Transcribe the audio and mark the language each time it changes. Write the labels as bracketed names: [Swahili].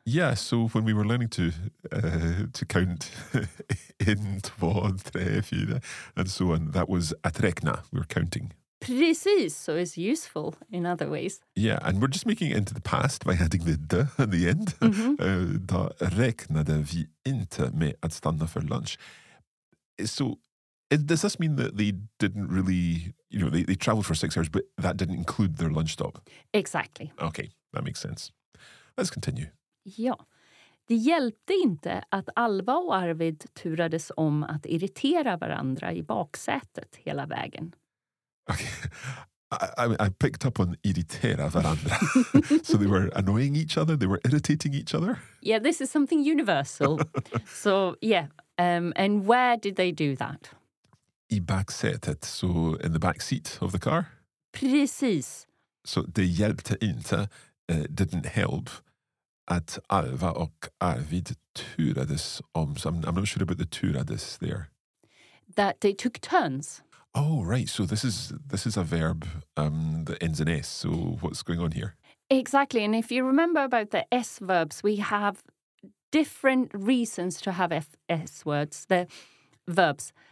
[English] Yeah, so when we were learning to count in, [Swedish] två, tre, fyra, [English] and so on, that was att räkna, we were counting. Precis, so it's useful in other ways. Yeah, and we're just making it into the past by adding the d at the end. [Swedish] Då räknade vi inte med att stanna för lunch. [English] So does this mean that they didn't really, you know, they traveled for 6 hours, but that didn't include their lunch stop? Exactly. Okay, that makes sense. Let's continue. [Swedish] Ja, det hjälpte inte att Alva och Arvid turades om att irritera varandra i baksätet hela vägen. [English] Okay, I picked up on [Swedish] irritera varandra. [English] So they were annoying each other, they were irritating each other? Yeah, this is something universal. So, yeah, and where did they do that? [Swedish] I baksätet, [English] so in the back seat of the car? [Swedish] Precis. So det hjälpte inte, [English] didn't help, [Swedish] att Alva och Arvid turades om. [English] So I'm not sure about the turades there. That they took turns. Oh, right. So this is a verb that ends in S. So what's going on here? Exactly. And if you remember about the S verbs, we have different reasons to have S words, the verbs.